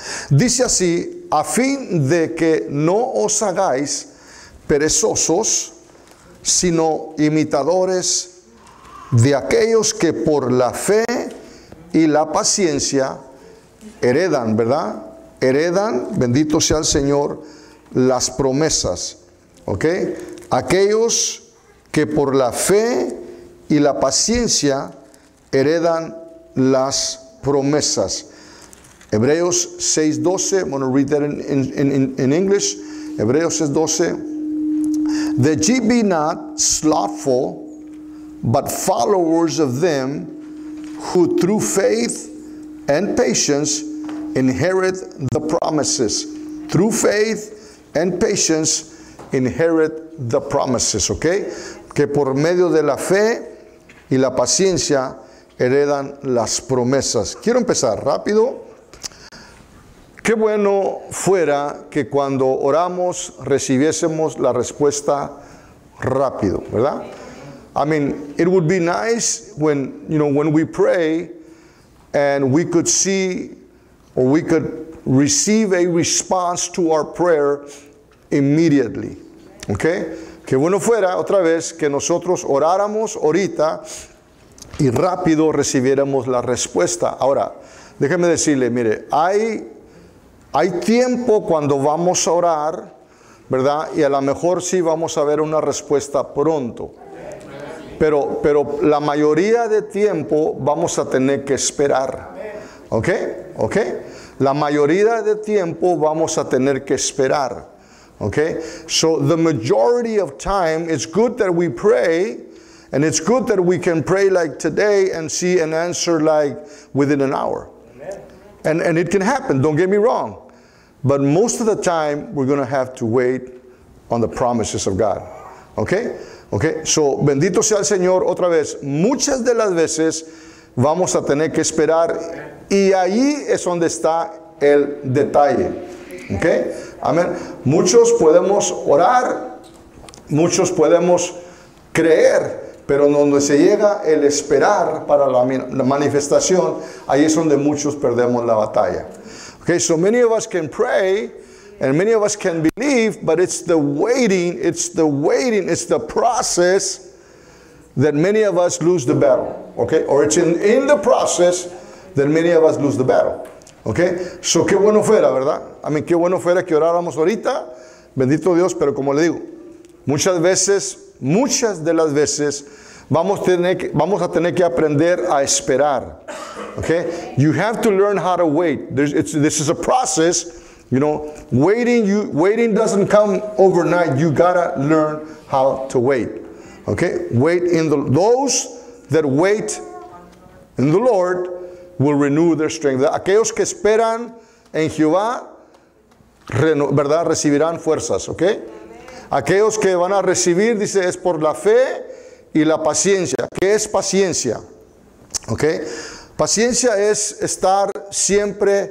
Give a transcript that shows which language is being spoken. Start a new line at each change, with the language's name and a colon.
Spanish: Dice así, a fin de que no os hagáis perezosos, sino imitadores de aquellos que por la fe y la paciencia heredan, ¿verdad? Heredan, bendito sea el Señor, las promesas. ¿Ok? Aquellos que por la fe y la paciencia heredan las promesas.
English: Hebreos 6:12, I'm going to read that in English. Hebreos 6:12. That ye be not slothful, but followers of them who through faith and patience inherit the promises. Through faith and patience inherit the promises. Ok.
Spanish: Que por medio de la fe y la paciencia heredan las promesas. Quiero empezar rápido. Qué bueno fuera que cuando oramos recibiésemos la respuesta rápido, ¿verdad?
English: I mean, it would be nice when, you know, when we pray and we could see or we could receive a response to our prayer immediately. ¿Ok?
Spanish: Qué bueno fuera, otra vez, que nosotros oráramos ahorita y rápido recibiéramos la respuesta. Ahora, déjeme decirle, mire, hay tiempo cuando vamos a orar, ¿verdad? Y a lo mejor sí vamos a ver una respuesta pronto. Pero la mayoría de tiempo vamos a tener que esperar. ¿Ok? ¿Ok? La mayoría de tiempo vamos a tener que esperar. ¿Ok?
English: So the majority of time, it's good that we pray. And it's good that we can pray like today and see an answer like within an hour. And it can happen, don't get me wrong. But most of the time, we're going to have to wait on the promises of God. Okay? Okay? So,
Spanish: bendito sea el Señor, otra vez. Muchas de las veces, vamos a tener que esperar. Y ahí es donde está el detalle. Okay? Amén. Muchos podemos orar, muchos podemos creer, pero donde se llega el esperar para la manifestación, ahí es donde muchos perdemos la batalla.
English: Okay, so many of us can pray and many of us can believe, but it's the waiting, it's the process that many of us lose the battle. Okay, or it's in the process that many of us lose the battle.
Spanish: Okay, so qué bueno fuera, ¿verdad? I mean, qué bueno fuera que oráramos ahorita, bendito Dios, pero como le digo, muchas de las veces vamos a tener que aprender a esperar.
English: Okay, you have to learn how to wait. This is a process, you know. Waiting doesn't come overnight. You gotta learn how to wait. Okay, wait in the those that wait in the Lord will renew their strength.
Spanish: Aquellos que esperan en Jehová, verdad, recibirán fuerzas. Okay, aquellos que van a recibir, dice, es por la fe y la paciencia. ¿Qué es paciencia? Okay. Paciencia es estar siempre